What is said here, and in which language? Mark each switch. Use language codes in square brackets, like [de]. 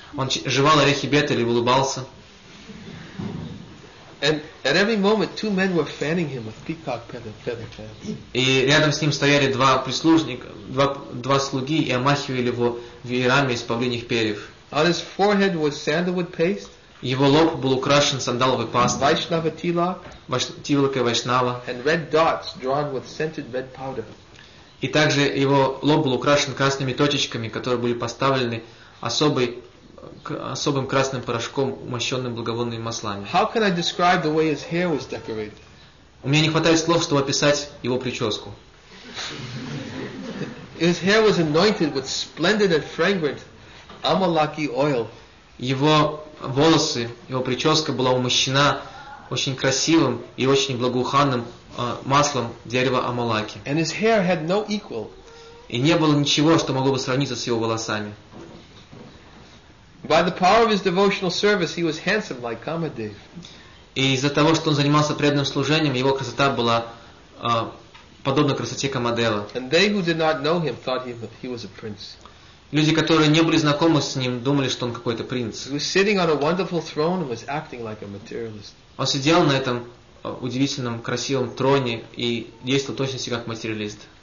[ru] Он жевал орехи бетеля и улыбался. [en] And at every moment, two men were fanning him with peacock feather fans. [ru] И рядом с ним стояли два прислужника, два слуги и омахивали его веерами из павлиньих перьев. [en] On his forehead was sandalwood paste. [ru] Его лоб был украшен сандаловой пастой. Вайшнава тилак. Тилака Вайшнава. [en] And red dots drawn with scented red powder. [ru] И также его лоб был украшен красными точечками, которые были поставлены особым красным порошком, умощенным благовонными маслами. [en] How can I describe the way his hair was decorated? [ru] У меня не хватает слов, чтобы описать его прическу. [en] His hair was anointed with splendid and fragrant amalaki oil. [ru] Его волосы, его прическа была умощена очень красивым и очень благоуханным маслом дерева амалаки. [en] And his hair had no equal. [ru] И не было ничего, что могло бы сравниться с его волосами. [en] By the power of his devotional service, he was handsome like Kamadev. [ru] И из-за того, что он занимался преданным служением, его красота была подобна красоте Камадева. [en] And they who did not know him thought he was a prince. [ru] Люди, которые не были знакомы с ним, думали, что он какой-то принц. [en] He was sitting on a wonderful throne and was acting like a materialist. [ru] Он сидел на этом удивительном красивом троне и действовал точно как материалист.